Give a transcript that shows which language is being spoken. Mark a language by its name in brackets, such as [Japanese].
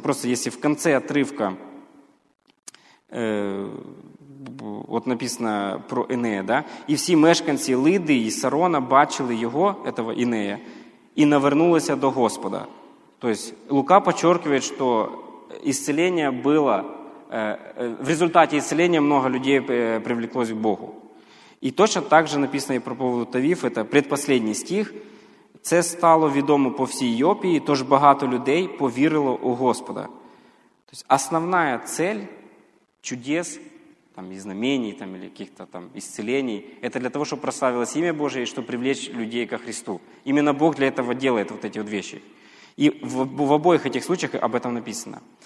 [Russian] Просто если в конце отрывка вот написано про Инея, да, и [Ukrainian] все мешканцы Лиды и Сарона бачили его, этого Инея, и навернулися до Господа. [Russian] То есть Лука подчеркивает, что исцеление было, в результате исцеления много людей привлеклось к Богу. И точно так же написано и про поводу Тавиф, это предпоследний стих. [Ukrainian] «Це стало відомо по всій Йопії, тож багато людей повірило у Господа». [Russian] То есть основная цель чудес там, и знамений, там, или каких-то там исцелений, это для того, чтобы прославилось имя Божие, и чтобы привлечь людей ко Христу. Именно Бог для этого делает вот эти вот вещи. И в обоих этих случаях об этом написано.